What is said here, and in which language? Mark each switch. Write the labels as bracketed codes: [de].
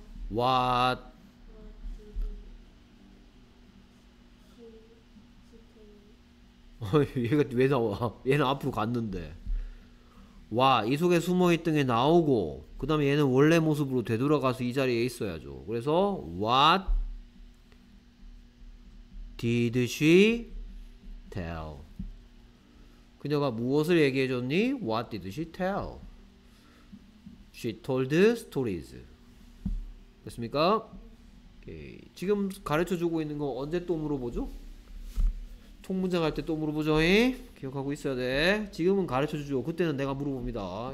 [en] What? What do you do? [ko] 얘가 왜 나와? 얘는 앞으로 갔는데. 와, 이 속에 숨어있던 게 나오고, 그 다음에 얘는 원래 모습으로 되돌아가서 이 자리에 있어야죠. 그래서, [en] What did she tell? [ko] 그녀가 무엇을 얘기해줬니? [en] What did she tell? She told stories. [ko] 됐습니까? 오케이. 지금 가르쳐주고 있는 거 언제 또 물어보죠? 통문장 할때또 물어보죠. 기억하고 있어야 돼. 지금은 가르쳐주죠. 그때는 내가 물어봅니다.